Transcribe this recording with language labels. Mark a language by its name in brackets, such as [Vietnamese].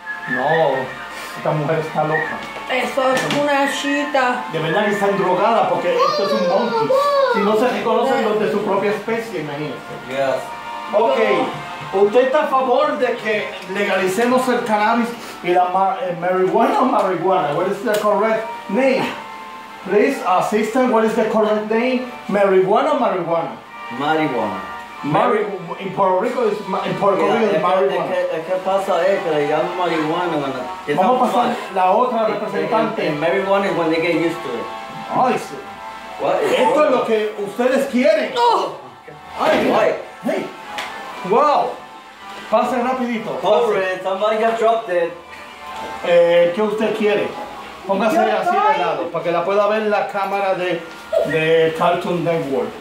[Spanish] No, esta mujer está loca. Eso es una chita. De verdad que está drogada porque esto es un monkey. Si no se reconocen los de su propia especie, imagínese. [English] Yes. [Spanish] Ok, ¿usted está a favor de que legalicemos el cannabis? ¿Y la marihuana o marihuana? [English] What is the correct name? Please, assistant, what is the correct name? [Spanish] ¿Marihuana o marihuana? Marihuana. En Puerto Rico es marihuana. ¿Qué pasa? Que le llaman marihuana. Vamos a pasar la otra representante. Marihuana es cuando [English] they get used to it. [Spanish] Ay, sí. Esto es lo que ustedes quieren. ¡No! ¡Ay, hey! ¡Wow! Pase rapidito. Pobre, [English] somebody got dropped it. [Spanish] ¿Qué usted quiere? Póngase así de lado, para que la pueda ver la cámara de Cartoon Network.